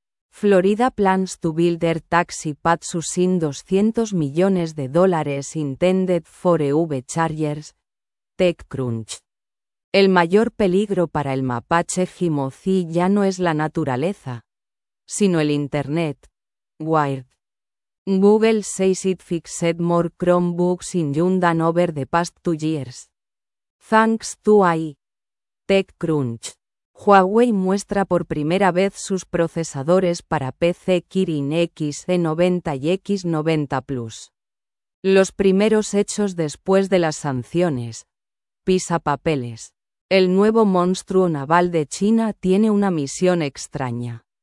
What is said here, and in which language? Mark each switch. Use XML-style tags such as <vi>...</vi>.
<en>Florida plans to build air taxi pads using $200</en> <es>millones</es> <en>intended for EV chargers, TechCrunch.</en> <es>El mayor peligro para el mapache Himozi ya no es la naturaleza, sino el Internet. Wired.</es> <en>Google says it fixed more Chromebooks in June than over the past 2 years. Thanks to AI. TechCrunch.</en> <es>Huawei muestra por primera vez sus procesadores para PC Kirin XE90 y X90 Plus. Los primeros hechos después de las sanciones. PISA papeles. El nuevo monstruo naval de China tiene una misión extraña.</es>